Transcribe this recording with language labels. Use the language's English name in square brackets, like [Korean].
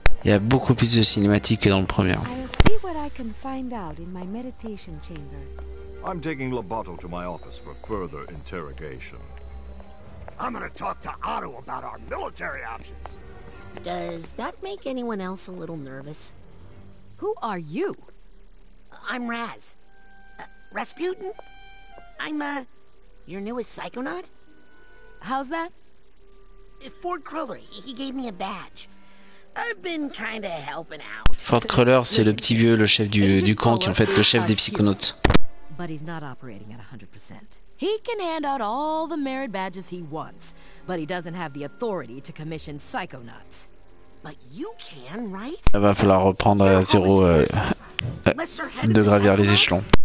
[French] Il y a beaucoup plus de cinématiques que dans le premier. [English] I'll see what I can find out in my meditation chamber. I'm taking Lobato to my office for further interrogation. I'm gonna talk to Otto about our military options. Does that make anyone else a little nervous? Who are you? I'm Raz. Rasputin? I'm, your newest psychonaut? How's that? Ford Kruller, he gave me a badge. I've been kind of helping out. [French] Ford Kruller, c'est le petit vieux, le chef du camp, qui en fait le chef des psychonautes. [English] But he's not operating at 100%. He can hand out all the merit badges he wants, but he doesn't have the authority to commission psychonauts. But you can, right? [French] Il va falloir reprendre à zéro de gravir les échelons.